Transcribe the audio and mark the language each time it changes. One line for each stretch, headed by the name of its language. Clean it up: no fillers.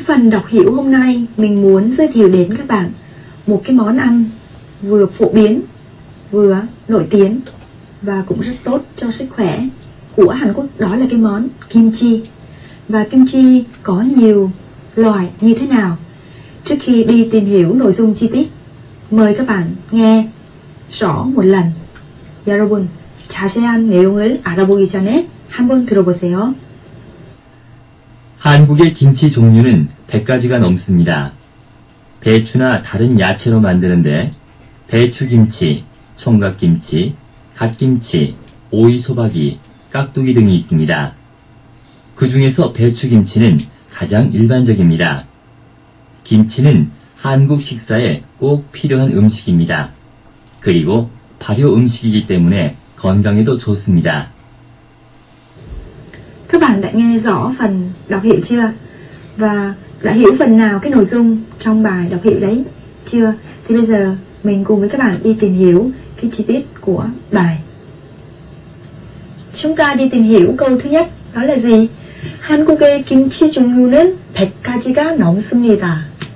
Vietnamese: Đọc hiểu hôm nay mình muốn giới thiệu đến các bạn một cái món ăn vừa phổ biến vừa nổi tiếng và cũng rất tốt cho sức khỏe của Hàn Quốc, đó là cái món kim chi. Và kim chi có nhiều loại như thế nào? Trước khi đi tìm hiểu nội dung chi tiết, mời các bạn nghe rõ một lần.
Korean: 여러분, 자세한 내용을 알아보기 전에 한번 들어보세요. 한국의 김치 종류는 100가지가 넘습니다. 배추나 다른 야채로 만드는데 배추김치, 총각김치, 갓김치, 오이소박이, 깍두기 등이 있습니다. 그 중에서 배추김치는 가장 일반적입니다. 김치는 한국 식사에 꼭 필요한 음식입니다. 그리고 발효 음식이기 때문에 건강에도 좋습니다.
Vietnamese: Các bạn đã nghe rõ phần đọc hiểu chưa? Và đã hiểu phần nào cái nội dung trong bài đọc hiểu đấy chưa? Thì bây giờ mình cùng với các bạn đi tìm hiểu cái chi tiết của bài. Chúng ta đi tìm hiểu câu thứ nhất, đó là gì?
Korean: 한국의 김치 종류는 100가지가 넘습니다.